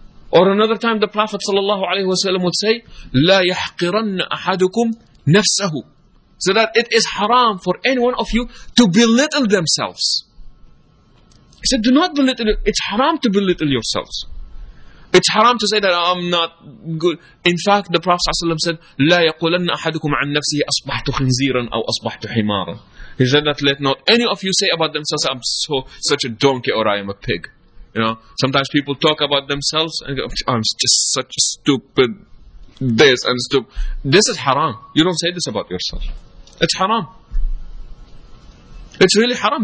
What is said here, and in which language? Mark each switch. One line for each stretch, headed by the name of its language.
English: Or another time the Prophet ﷺ would say,
Arabic: لا يحقرن أحدكم نفسه.
English: So that it is haram for any one of you to belittle themselves. He said, do not belittle. It's haram to belittle yourselves. It's haram to say that I'm not good. In fact, the Prophet ﷺ said,
Arabic: لا يقولن أحدكم عن نفسه أصبحت خنزيرا أو أصبحت حمارا.
English: He said that let not any of you say about themselves, I'm such a donkey or I am a pig. You know, sometimes people talk about themselves and go, I'm just such a stupid, this and stupid. This is haram. You don't say this about yourself. It's haram. It's really haram.